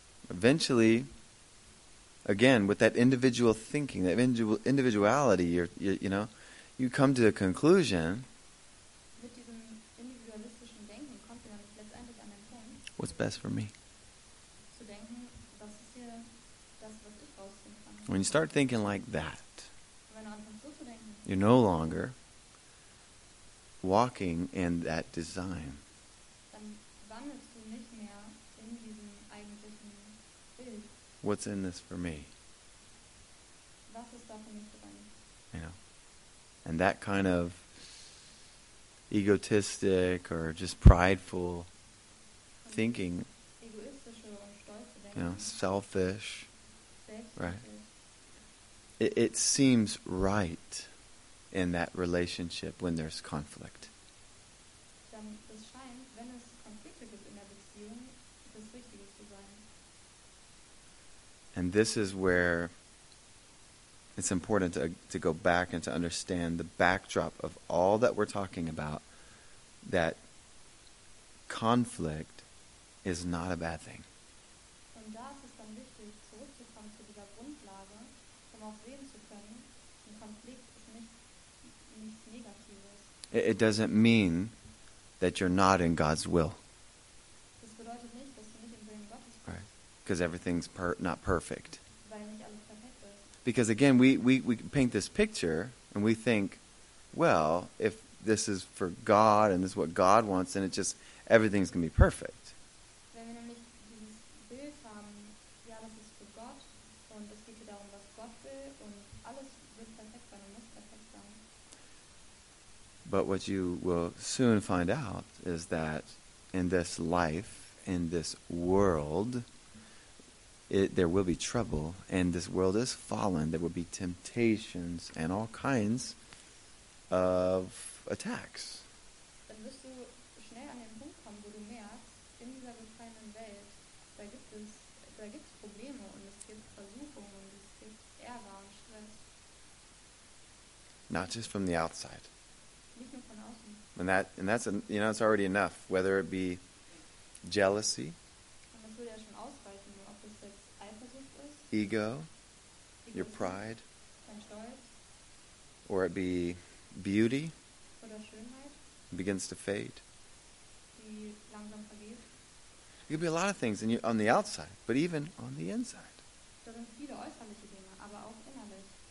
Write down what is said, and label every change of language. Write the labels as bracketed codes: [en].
[en] Eventually, again, with that individual thinking, that individuality, you come to a conclusion. [de] Mit diesem individualistischen Denken kommt ihr dann letztendlich an den Punkt, [en] what's best for me? [de] Zu denken, was ist hier das, was ich rausziehen kann. [en] When you start thinking like that, [de] wenn du anfängst, so zu denken, [en] you're no longer walking in that design. [de] Dann wandelst du nicht mehr in diesem eigentlichen Bild. [en] What's in this for me? [de] Was ist da für mich drin? [en] You know, and that kind of egotistic or just prideful thinking, [de] egoistische und stolze Denken, [en] you know, selfish, right? It seems right in that relationship when there's conflict. [de] Dann es scheint, wenn es Konflikte gibt in der Beziehung, das Richtige zu sein. [en] And this is where it's important to go back and to understand the backdrop of all that we're talking about, that conflict is not a bad thing. [de] Und da ist es dann wichtig, zurückzukommen zu dieser Grundlage, um auch sehen zu können, ein Konflikt ist nichts Negatives. [en] It doesn't mean that you're not in God's will. [de] Das bedeutet nicht, dass du nicht im Willen Gottes bist. [en] Right. Because everything's not perfect. [de] Weil nicht alles perfekt ist. [en] Because again, we paint this picture and we think, well, if this is for God and this is what God wants, then it's just everything's going to be perfect. [de] Wenn wir nämlich dieses Bild haben, ja, das ist für Gott und es geht hier darum, was Gott will und alles wird perfekt sein und muss perfekt sein. [en] But what you will soon find out is that in this life, in this world, there will be trouble, and this world is fallen. There will be temptations and all kinds of attacks. [de] Dann wirst du schnell an den Punkt kommen, wo du merkst, in dieser gefallenen Welt, da gibt's Probleme und es gibt Versuchungen und es gibt Ärger und Stress. [en] Not just from the outside. [de] Nicht nur von außen. [en] And that's you know, it's already enough, whether it be jealousy. [de] Und das würde ja schon ausreichen, ob das jetzt Eifersucht ist. [en] Ego. Your pride. [de] Dein Stolz. [en] Or it be beauty. [de] Oder Schönheit. [en] Begins to fade. [de] Die langsam vergeht. [en] It could be a lot of things on the outside, but even on the inside. [de] Da sind viele äußerliche Dinge, aber auch innerlich.